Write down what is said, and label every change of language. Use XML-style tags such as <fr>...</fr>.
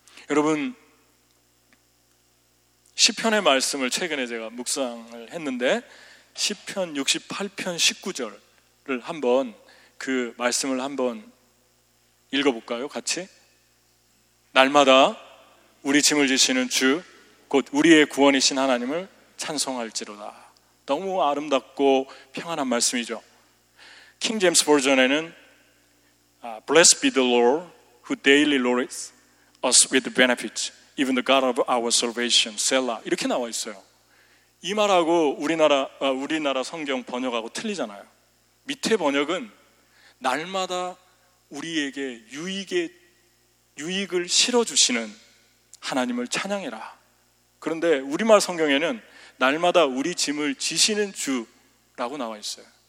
<ko>여러분, 시편의 말씀을 최근에 제가 묵상을 했는데 시편 68편 19절을 한번 그 말씀을 한번 읽어볼까요? 같이? 날마다 우리 짐을 지시는 주 곧 우리의 구원이신 하나님을 찬송할지로다. 너무 아름답고 평안한 말씀이죠.</ko> <en>King James Version에는 Blessed be the Lord who daily loads us with the benefits, even the God of our salvation, Selah.</en> <ko>이렇게 나와 있어요. 이 말하고 우리나라 성경 번역하고 틀리잖아요. 밑에 번역은 날마다 우리에게 유익을 실어주시는 하나님을 찬양해라. 그런데 우리말 성경에는 날마다 우리 짐을 지시는 주라고 나와 있어요.</ko>